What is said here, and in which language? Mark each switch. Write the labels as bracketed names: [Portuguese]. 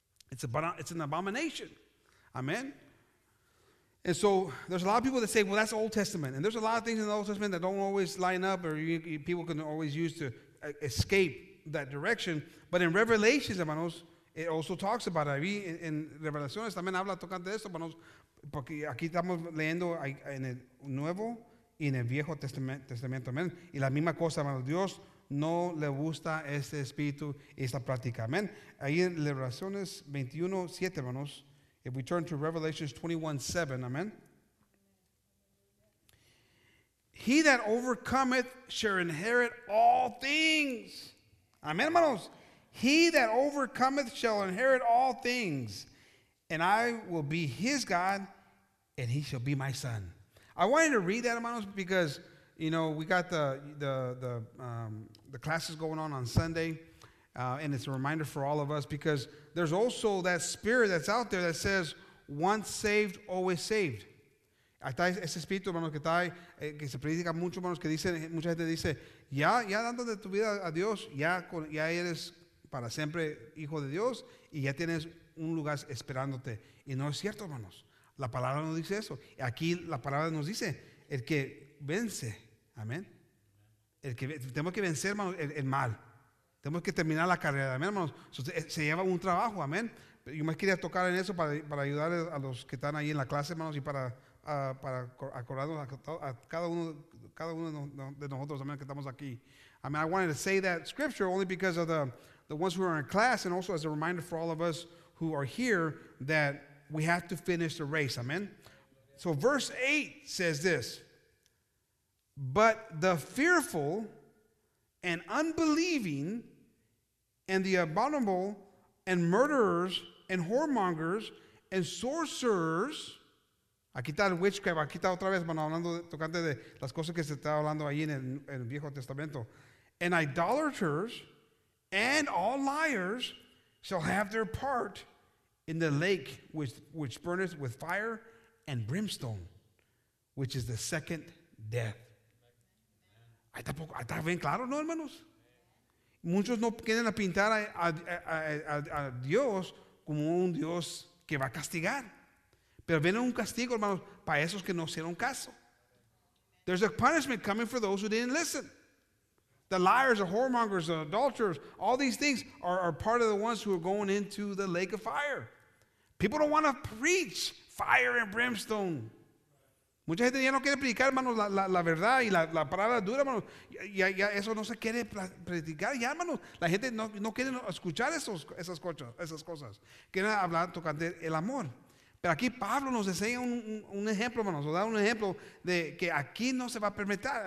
[English] It's an abomination. Amén. And so there's a lot of people that say, well, that's Old Testament. And there's a lot of things in the Old Testament that don't always line up, or people can always use to escape that direction. But in Revelations, hermanos, it also talks about it. [Spanish] En Revelaciones también habla tocante de esto, hermanos, porque aquí estamos leyendo en el Nuevo y en el Viejo Testamento. Amen. Y la misma cosa, hermanos. Dios no le gusta este espíritu y esta práctica. [English] Amen. [Spanish] Ahí en Revelaciones 21:7, hermanos, [English] if we turn to Revelations 21:7, amen. He that overcometh shall inherit all things. Amen, hermanos. He that overcometh shall inherit all things. And I will be his God, and he shall be my son. I wanted to read that, hermanos, because, you know, we got the classes going on Sunday. And it's a reminder for all of us, because there's also that spirit that's out there that says, once saved, always saved. [Spanish] Hasta ese espíritu, hermanos, que está ahí, que se predica mucho, hermanos, que dice, mucha gente dice, ya dándote tu vida a Dios, ya eres para siempre hijo de Dios, y ya tienes un lugar esperándote. Y no es cierto, hermanos. La palabra no dice eso. Aquí la palabra nos dice, el que vence, amén. El que tenemos que vencer, hermanos, el mal. Tenemos que terminar la carrera, amén, hermanos. Se lleva un trabajo, amén. Yo más quería tocar en eso para ayudar a los que están ahí en la clase, hermanos, y para acordarnos a cada uno de nosotros, amén, que estamos aquí. [English] I mean, I wanted to say that scripture only because of the ones who are in class, and also as a reminder for all of us who are here that we have to finish the race, amén. So verse 8 says this, but the fearful and unbelieving and the abominable and murderers and whoremongers and sorcerers, [Spanish] A quitar el witchcraft, a quitar otra vez, bueno, hablando tocante de las cosas que se está hablando ahí en el Viejo Testamento. [English] And idolaters and all liars shall have their part in the lake which burneth with fire and brimstone, which is the second death. [Spanish] ¿Está bien claro, no, hermanos? Muchos no quieren pintar a Dios como un Dios que va a castigar. Pero viene un castigo, hermanos, para esos que no hicieron caso. [English] There's a punishment coming for those who didn't listen. The liars, the whoremongers, the adulterers, all these things are part of the ones who are going into the lake of fire. People don't want to preach fire and brimstone. [Spanish] Mucha gente ya no quiere predicar, hermanos, la verdad y la palabra dura, hermanos. Ya eso no se quiere predicar, ya, hermanos. La gente no quiere escuchar esas cosas. Quieren hablar, tocante el amor. Pero aquí Pablo nos enseña un ejemplo, hermanos, o da un ejemplo de que aquí no se va a permitir.